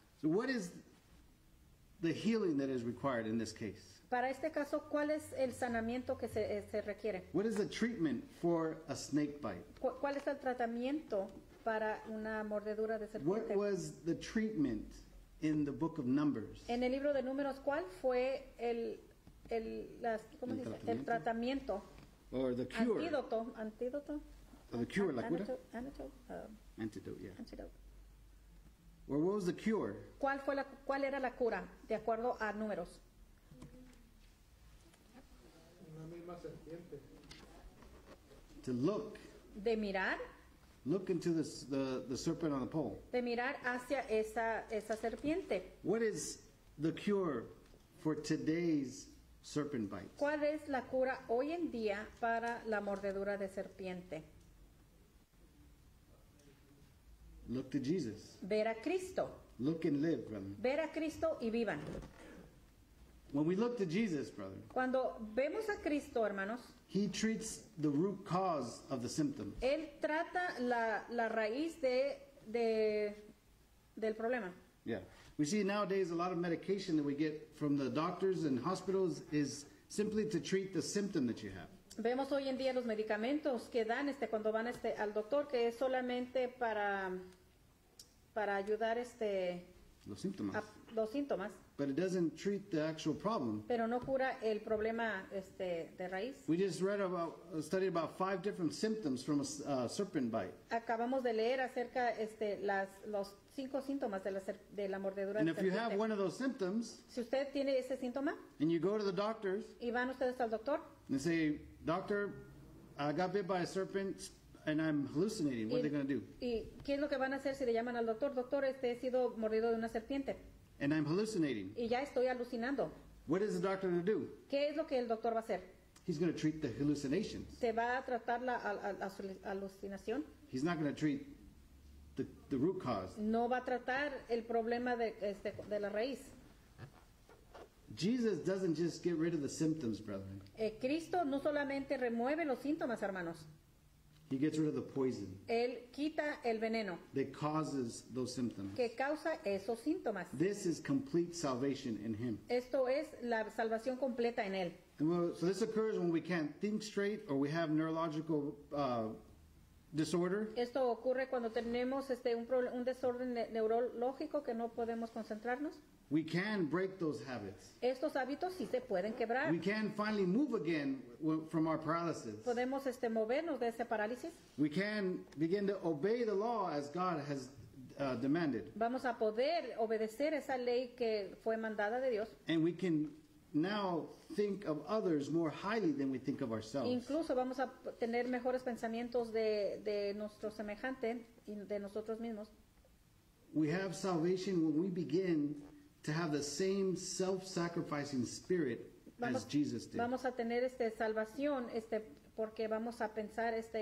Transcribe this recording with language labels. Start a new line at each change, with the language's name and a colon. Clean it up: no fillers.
English: So what is the healing that is required in this case?
Spanish: Para este caso, ¿cuál es el sanamiento que se requiere?
English: What is the treatment for a snake bite?
Spanish: ¿Cuál es el tratamiento para una mordedura de serpiente?
English: What was the treatment in the book of Numbers?
Spanish: En el libro de Números, ¿cuál fue el tratamiento?
English: Or the cure.
Spanish: Antídoto.
English: Or the cure,
Spanish: la cura?
English: Antidote, yeah. Or what was the cure?
Spanish: ¿Cuál era la cura, de acuerdo a Números?
English: To look.
Spanish: De mirar.
English: Look into the serpent on the pole.
Spanish: De mirar hacia esa serpiente.
English: What is the cure for today's serpent bite?
Spanish: ¿Cuál es la cura hoy en día para la mordedura de serpiente?
English: Look to Jesus.
Spanish: Ver a Cristo.
English: Look and live, brother.
Spanish: Ver a Cristo y vivan.
English: When we look to Jesus, brother,
Spanish: cuando vemos a Cristo, hermanos,
English: he treats the root cause of the symptoms.
Spanish: Él trata la raíz del problema.
English: Yeah. We see nowadays a lot of medication that we get from the doctors and hospitals is simply to treat the symptom that you have.
Spanish: Vemos hoy en día los medicamentos que dan cuando van al doctor, que es solamente para ayudar los síntomas. Los síntomas.
English: But it doesn't treat the actual problem.
Spanish: Pero no cura el problema de raíz.
English: We just read about a study about 5 different symptoms from a serpent bite.
Spanish: Acabamos de leer acerca los 5 síntomas de la mordedura.
English: And if you have one of those symptoms,
Spanish: si usted tiene ese síntoma,
English: and you go to the doctors,
Spanish: y van ustedes al doctor,
English: and say, doctor, I got bit by a serpent and I'm hallucinating. What are they going to do?
Spanish: Y qué es lo que van a hacer si le llaman al doctor, doctor, he sido mordido de una serpiente.
English: And I'm hallucinating.
Spanish: Y ya estoy alucinando.
English: What is the doctor going to do?
Spanish: ¿Qué es lo que el doctor va a hacer?
English: He's going to treat the hallucinations.
Spanish: ¿Se va a tratar la alucinación?
English: He's not going to treat the root cause.
Spanish: No va a tratar el problema de la raíz.
English: Jesus doesn't just get rid of the symptoms, brethren.
Spanish: Cristo no solamente remueve los síntomas, hermanos.
English: He gets rid of the poison.
Spanish: Él quita el veneno.
English: That causes those symptoms.
Spanish: Que causa esos síntomas.
English: This is complete salvation in him.
Spanish: Esto es la salvación completa en él.
English: So this occurs when we can't think straight or we have neurological disorder.
Spanish: Esto ocurre cuando tenemos un desorden neurológico que no podemos concentrarnos.
English: We can break those habits.
Spanish: Estos hábitos sí se pueden quebrar.
English: We can finally move again from our paralysis.
Spanish: Podemos movernos de ese parálisis.
English: We can begin to obey the law as God has demanded.
Spanish: Vamos a poder obedecer esa ley que fue mandada de Dios.
English: And we can now think of others more highly than we think of ourselves.
Spanish: Incluso vamos a tener mejores pensamientos de nuestro semejante y de nosotros mismos.
English: We have salvation when we begin to have the same self-sacrificing spirit as Jesus did.
Spanish: Vamos a tener salvación porque vamos a pensar